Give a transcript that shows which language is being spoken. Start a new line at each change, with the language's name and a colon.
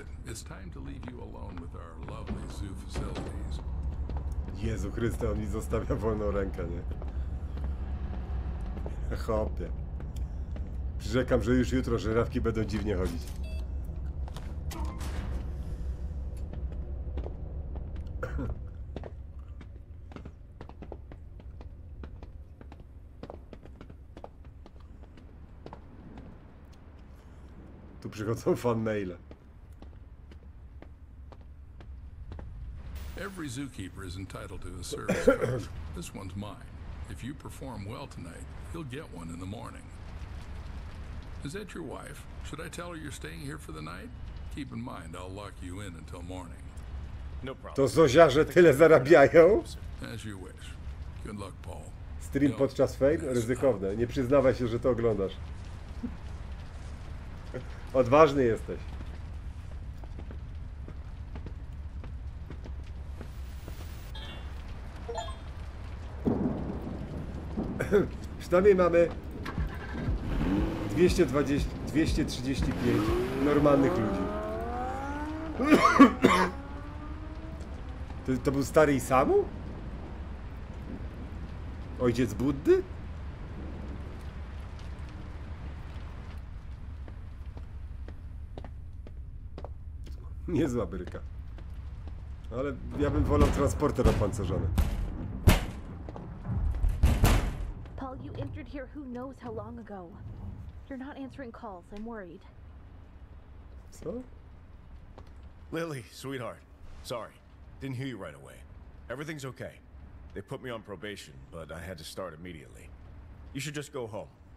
English: It's time to leave you alone with our lovely zoo facilities.
Polish: Jezu Chryste, on mi zostawia wolną rękę, nie? Chopie. Przyrzekam, że już jutro żyrafki będą dziwnie chodzić. Tu przychodzą fan maile.
English: Every zookeeper is entitled to a service card. This one's mine. If you perform well tonight, you'll get one in the morning. Is that your wife? Should I tell her you're staying here for the night? Keep in mind, I'll lock you in until morning. No problem.
Polish: To zoziarze tyle zarabiają?
English: As you wish. Good luck, Paul.
Polish: Stream podczas fame? Ryzykowne. Nie przyznawaj się, że to oglądasz. Odważny jesteś. Przynajmniej mamy 220, 235 normalnych ludzi. To był stary Isamu? Ojciec Buddy? Niezła bryka. Ale ja bym wolał transporter opancerzony.
English: Entered here who knows how long ago. You're not answering calls. I'm worried. So? Lily, sweetheart. Sorry. Didn't hear you right away. Everything's okay. They put me on probation, but I had to start immediately. You should just go home.